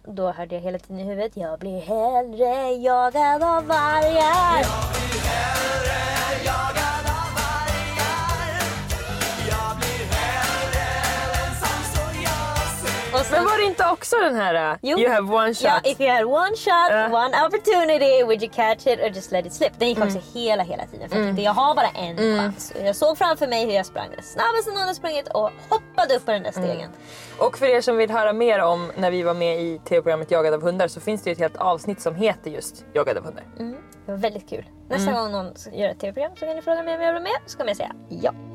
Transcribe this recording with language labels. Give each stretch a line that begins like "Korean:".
Swedish: Då hörde jag hela tiden i huvudet: jag blir hellre jagad av vargar. Men var det inte också den här
English: you have one shot?
Swedish: Ja,
English: if you had one shot, one opportunity, would you catch it or just let it slip?
Swedish: Den gick också hela tiden. För jag har bara en chans. Jag såg framför mig hur jag sprang det snabbast någon har sprungit och hoppade upp på den där stegen. Och för er som vill höra mer om när vi var med i TV-programmet Jagad av hundar, så finns det ju ett helt avsnitt som heter just Jagad av hundar. Det var väldigt kul. Nästa gång någon gör ett TV-program så kan ni fråga mig om jag vill vara med, så kommer jag säga ja.